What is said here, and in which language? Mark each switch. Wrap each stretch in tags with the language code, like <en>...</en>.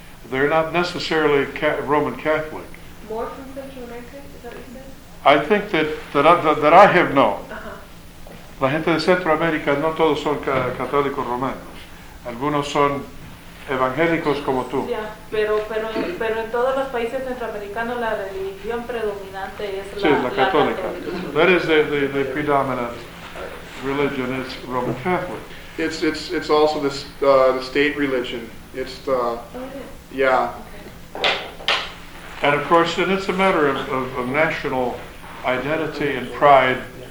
<en>They're not necessarily Roman Catholic. More from Central America? Is that what you said? I think that I have known.</en> <es>La gente de Centroamérica no todos son católicos romanos. Algunos son evangélicos como tú.</es> <en>Yeah,</en> <es>pero en todos los países centroamericanos la religión predominante es la católica.</es> <en>That is the predominant religion. It's Roman Catholic. It's also the state religion. It's the yeah. Okay. And of course, and it's a matter of national identity and pride.</en>